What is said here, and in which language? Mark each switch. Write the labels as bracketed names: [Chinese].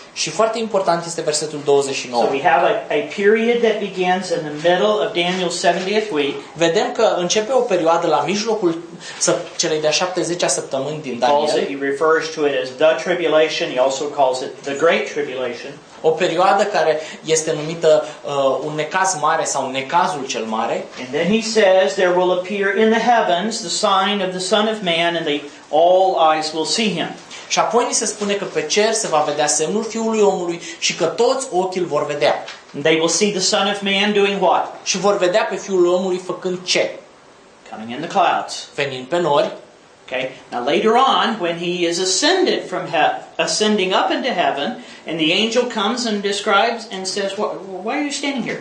[Romanian] Și foarte important este versetul 29. [English] So we have a period that begins in the middle of Daniel's 70th week. [Romanian] Vedem că începe o perioadă la mijlocul celei de-a 70-a săptămâni din Daniel. [English] Also, he refers to it as the tribulation. He also calls it the great tribulation. [Romanian] O perioadă care este numită un necaz mare sau necazul cel mare. [English] And then he says there will appear in the heavens the sign of the Son of Man and all eyes will see him. [Romanian] Și apoi ni se spune că pe cer se va vedea semnul Fiului Omului și că toți ochii îl vor vedea. [English] And they will see the Son of Man doing what? [Romanian] Și vor vedea pe Fiul Omului făcând ce? [English] Coming in the clouds. [Romanian] Venind pe nori. [English] Okay. Now later on, when he is ascended from ascending up into heaven, and the angel comes and describes and says, "Why are you standing here?